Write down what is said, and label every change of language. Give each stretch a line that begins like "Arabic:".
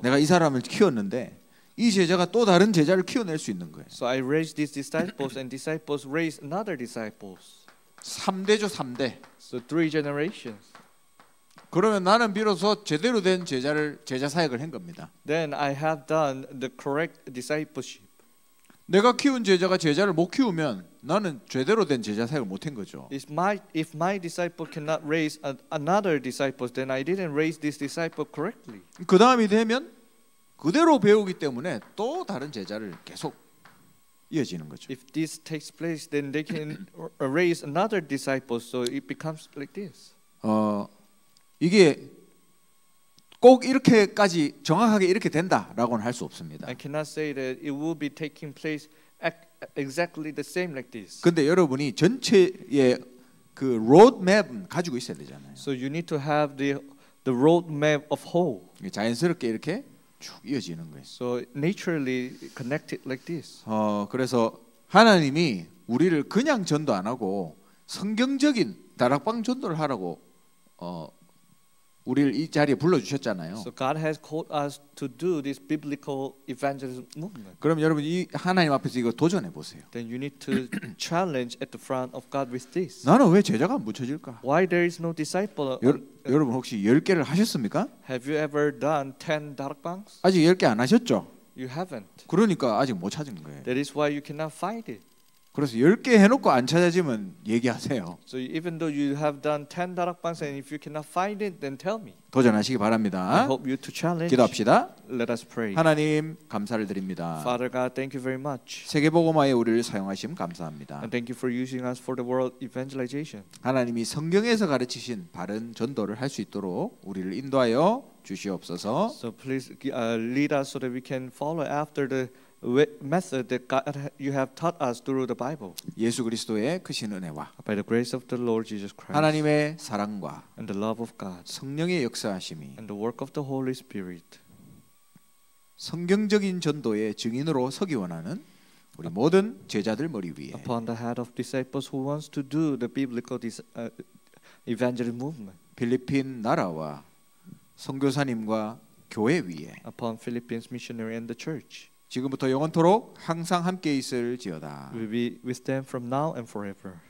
Korean: 내가 이 사람을 키웠는데 이 제자가 또 다른 제자를 키워낼 수 있는 거예요.
English: So I raised these disciples and disciples raised another disciples.
Korean: 3대죠, 3대.
English: So three generations.
Korean: 그러면 나는 비로소 제대로 된 제자를 제자 사역을 한 겁니다.
English: Then I have done the correct discipleship.
Korean: 내가 키운 제자가 제자를 못 키우면 나는 제대로 된 제자 사역을 못 한 거죠.
English: If my disciple cannot raise another disciples, then I didn't raise this disciple correctly.
Korean: 그다음이 되면 그대로 배우기 때문에 또 다른 제자를 계속 이어지는 거죠.
English: If this takes place, then they can raise another disciple, so it becomes like this.
Korean: 이게 꼭 이렇게까지 정확하게 이렇게 된다라고는 할 수 없습니다.
English: I cannot say that it will be taking place exactly the same like this.
Korean: 근데 여러분이 전체의 그 로드맵은 가지고 있어야 되잖아요.
English: So you need to have the roadmap of whole.
Korean: 자연스럽게 이렇게 쭉 이어지는 거예요.
English: So naturally connected like this.
Korean: 그래서 하나님이 우리를 그냥 전도 안 하고 성경적인 다락방 전도를 하라고 우리를 이 자리에 불러 주셨잖아요.
English: So God has called us to do this biblical evangelism movement.
Korean: 그럼 여러분 이 하나님 앞에서 이거 도전해 보세요.
English: Then you need to challenge at the front of God with this.
Korean: 나는 왜 제자가 안 붙여질까?
English: Why there is no disciple?
Korean: 여러분 혹시 열 개를 하셨습니까?
English: Have you ever done 10 다락방s?
Korean: 아직 열 개 안 하셨죠?
English: You haven't.
Korean: 그러니까 아직 못 찾은 거예요.
English: That is why you cannot find it.
Korean: 그래서 열 개 해놓고 안 찾아지면 얘기하세요.
English: So even though you have done 10 다락방s and if you cannot find it, then tell me.
Korean: 도전하시기 바랍니다.
English: I hope you to challenge.
Korean: 기도합시다.
English: Let us pray.
Korean: 하나님 감사를 드립니다.
English: Father God, thank you very much.
Korean: 세계복음화에 우리를 사용하심 감사합니다.
English: And thank you for using us for the world evangelization.
Korean: 하나님이 성경에서 가르치신 바른 전도를 할 수 있도록 우리를 인도하여 주시옵소서.
English: So please lead us so that we can follow after the method that God you have taught us through the Bible.
Korean: 예수 그리스도의 크신 은혜와
English: by the grace of the Lord Jesus Christ.
Korean: 하나님의 사랑과
English: and the love of God.
Korean: 성령의 역사하심이
English: and the work of the Holy Spirit.
Korean: 성경적인 전도의 증인으로 서기 원하는 우리 모든 제자들 머리 위에
English: upon the head of disciples who wants to do the biblical evangelism movement.
Korean: 필리핀 나라와 선교사님과 교회 위에
English: upon Philippines missionary and the church.
Korean: 지금부터 영원토록 항상 함께 있을지어다.
English: We'll be with them from now and forever.